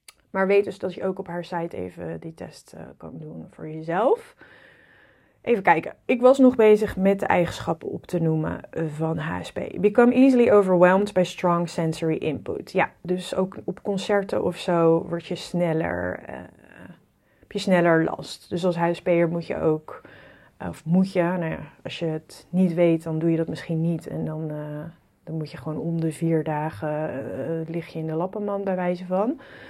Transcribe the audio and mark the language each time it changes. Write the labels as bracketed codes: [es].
[nl] Maar weet dus dat je ook op haar site even die test kan doen voor jezelf. Even kijken. Ik was nog bezig met de eigenschappen op te noemen van HSP. [en] Become easily overwhelmed by strong sensory input. [nl] Ja, dus ook op concerten of zo word je sneller, heb je sneller last. Dus als HSP'er moet je ook, of moet je, nou ja, als je het niet weet, dan doe je dat misschien niet. En dan moet je gewoon om de 4 dagen lig je in de lappenmand bij wijze van.